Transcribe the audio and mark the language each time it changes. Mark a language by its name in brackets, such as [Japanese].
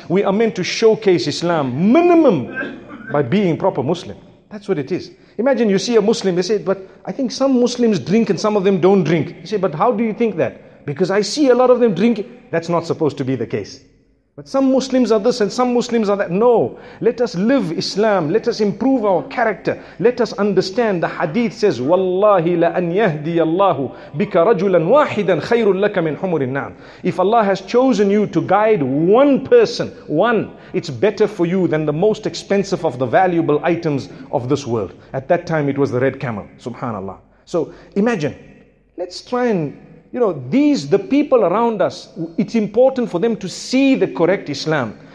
[English] We are meant to showcase Islam, minimum, by being proper Muslim. That's what it is. Imagine you see a Muslim, they say, but I think some Muslims drink and some of them don't drink. You say, but how do you think that? Because I see a lot of them drinking. That's not supposed to be the case. But some Muslims are this and some Muslims are that. No, let us live Islam. Let us improve our character. Let us understand. The hadith says, [Arabic] وَاللَّهِ لَأَنْ يَهْدِيَ اللَّهُ بِكَ رَجُلًا وَاحِدًا خَيْرٌ لَكَ مِنْ حُمُرِ النَّعْمِ. [English] If Allah has chosen you to guide one person, one, it's better for you than the most expensive of the valuable items of this world. At that time, it was the red camel. Subhanallah. So imagine, let's try and, you know, these, the people around us, it's important for them to see the correct Islam.